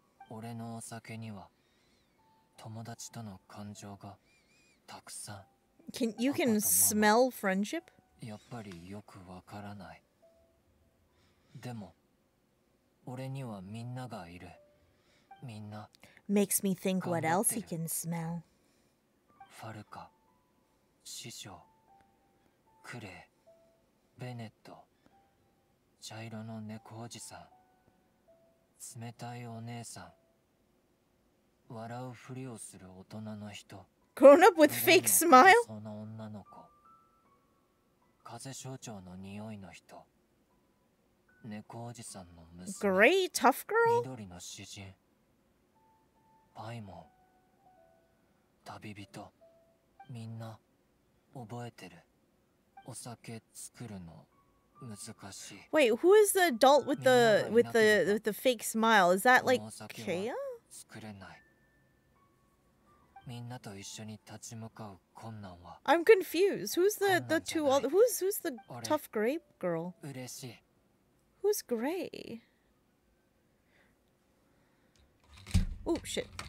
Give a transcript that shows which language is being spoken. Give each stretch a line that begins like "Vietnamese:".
Japanese: 俺のお酒には友達との感情がたくさん。
English: You can smell friendship?
Japanese: やっぱりよくわからない。でも俺にはみんながいる。みんな
English: makes me think what else he can smell.
Japanese: ファルカ、師匠、クレイ、ベネット、茶色の猫おじさん、冷たいお姉さん、笑うふりをする大人の人、
English: grown up with fake smile、
Japanese: その女の子、風邪症状の匂いの人、猫おじさんの娘、
English: great tough girl、
Japanese: 緑の詩人、パイモン、旅人、みんな覚えてる。お酒作るの難しい。
English: Wait, who is the adult with the fake smile? Is that like Kaeya?
Japanese: 作れない。みんなと一緒に立ち向かう困難は。
English: I'm confused. Who's the two old? Who's the tough gray girl?
Japanese: 嬉しい。
English: Who's gray? Oh shit.